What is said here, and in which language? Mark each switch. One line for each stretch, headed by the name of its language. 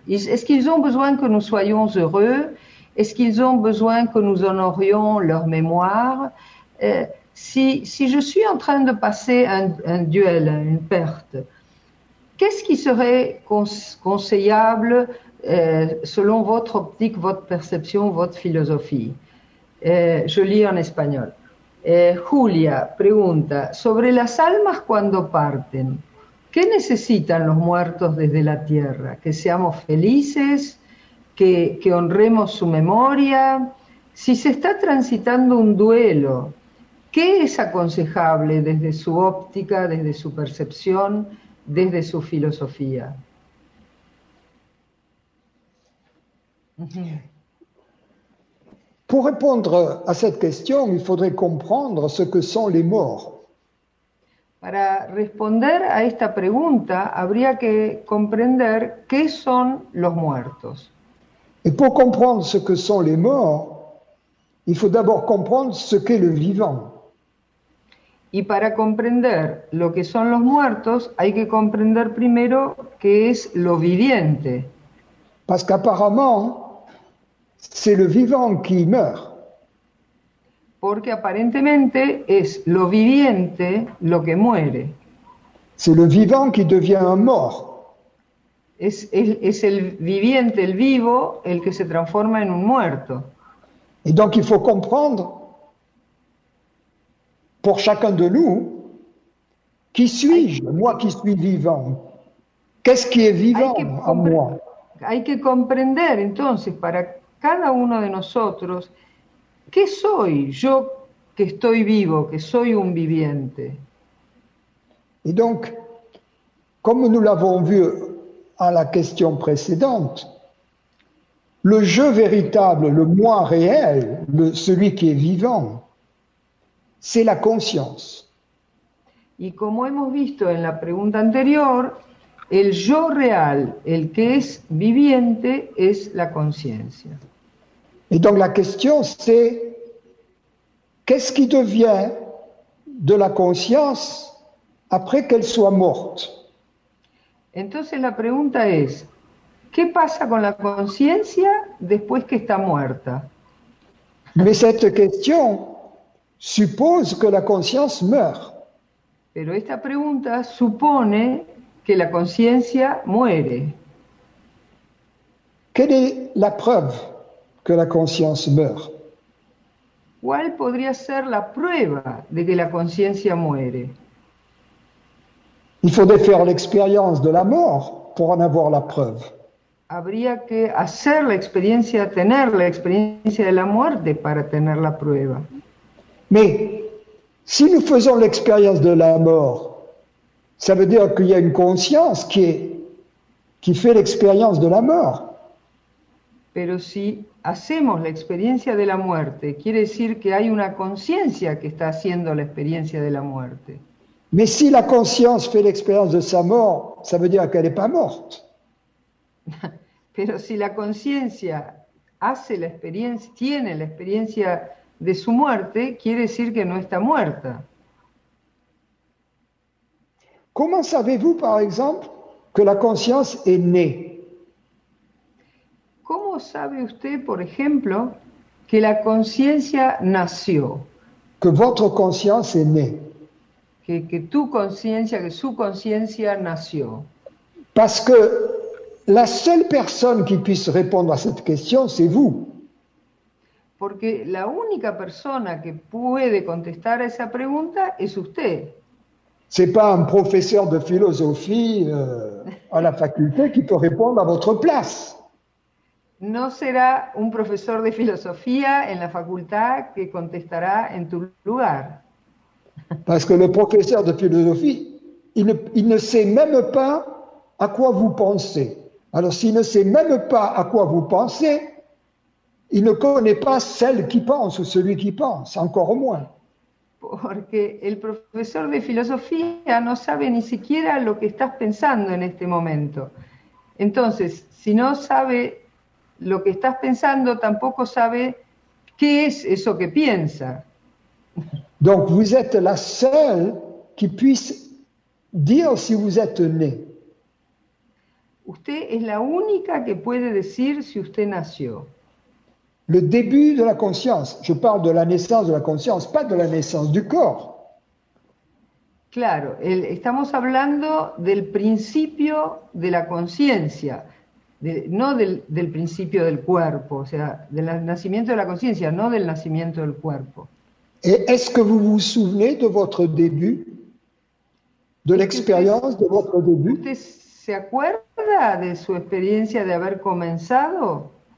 French: Est-ce qu'ils ont besoin que nous soyons heureux? Est-ce qu'ils ont besoin que nous honorions leur mémoire? Si je suis en train de passer un duel, une perte, qu'est-ce qui serait conseillable selon votre optique, votre perception, votre philosophie? Je lis en espagnol.
Spanish: Julia pregunta sobre las almas cuando parten. ¿Qué necesitan los muertos desde la tierra? Que seamos felices, que honremos su memoria. Si se está transitando un duelo, ¿qué es aconsejable desde su óptica, desde su percepción, desde su filosofía?
French: Pour répondre à cette question, il faudrait comprendre ce que sont les morts.
Spanish: Para responder a esta pregunta, habría que comprender qué son los muertos.
French: Et pour comprendre ce que sont les morts, il faut d'abord comprendre ce qu'est le vivant.
Spanish: Y para comprender lo que son los muertos, hay que comprender primero qué es lo viviente.
French: Parce qu'apparemment, C'est le vivant qui meurt.
Spanish: Porque aparentemente es lo viviente lo que muere.
French: C'est le vivant qui devient un mort.
Spanish: Es el viviente, el vivo, el que se transforma en un muerto.
French: Et donc il faut comprendre, pour chacun de nous, qui suis-je, moi qui suis vivant? Qu'est-ce qui est vivant en moi?
Spanish: Hay que comprender, entonces, para cada uno de nosotros, ¿qué soy yo que estoy vivo, que soy un viviente?
French: Et donc, comme nous l'avons vu à la question précédente, le je véritable, le moi réel, celui qui est vivant, c'est la conscience.
Spanish: Y como hemos visto en la pregunta anterior, el yo real, el que es viviente, es la conciencia.
French: Et donc la question c'est, qu'est-ce qui devient de la conscience après qu'elle soit morte?
Spanish: Entonces la pregunta es, ¿qué pasa con la conciencia después que está muerta?
French: Mais cette question suppose que la conscience meurt.
Spanish: Pero esta pregunta supone que la conciencia muere.
French: Quelle est la preuve que la conscience meurt?
Spanish: ¿Cuál podría ser la prueba de que la conciencia muere?
French: Il faudrait faire l'expérience de la mort pour en avoir la preuve.
Spanish: Habría que hacer la experiencia, tener la experiencia de la muerte para tener la prueba.
French: Mais si nous faisons l'expérience de la mort, ça veut dire qu'il y a une conscience qui fait l'expérience de la mort.
Spanish: Pero si hacemos la experiencia de la muerte, quiere decir que hay una conciencia que está haciendo la experiencia de la muerte.
French: Mais si la conscience fait l'expérience de sa mort, ça veut dire qu'elle n'est pas morte.
Spanish: Pero si la conciencia hace la experiencia, tiene la experiencia de su muerte, quiere decir que no está muerta.
French: Comment savez-vous, par exemple, que la conscience est née?
Spanish: ¿Cómo sabe usted, por ejemplo, que la conciencia nació?
French: Que votre conscience est née.
Spanish: Que tu conciencia, que su conciencia nació.
French: Parce que la seule personne qui puisse répondre à cette question, c'est vous.
Spanish: Porque la única persona que puede contestar a esa pregunta es usted.
French: C'est pas un professeur de philosophie à la faculté qui peut répondre à votre place.
Spanish: No será un profesor de filosofía en la facultad que contestará en tu lugar.
French: Parce que le professeur de philosophie, il ne sait même pas à quoi vous pensez. Alors s'il ne sait même pas à quoi vous pensez, il ne connaît pas celle qui pense ou celui qui pense, encore moins.
Spanish: Porque el profesor de filosofía no sabe ni siquiera lo que estás pensando en este momento. Entonces, si no sabe lo que estás pensando, tampoco sabe qué es eso que piensa.
French: Donc vous êtes la seule qui puisse dire si vous êtes née.
Spanish: Usted es la única que puede decir si usted nació.
French: Le début de la conscience, je parle de la naissance de la conscience, pas de la naissance du corps.
Spanish: Claro, estamos hablando del principio de la conciencia, no del principio del cuerpo, o sea, del nacimiento de la conciencia, no del nacimiento del cuerpo.
French: Et est-ce que vous vous souvenez de votre début, de l'expérience de votre début?
Spanish: ¿Usted se acuerda de su experiencia de haber comenzado?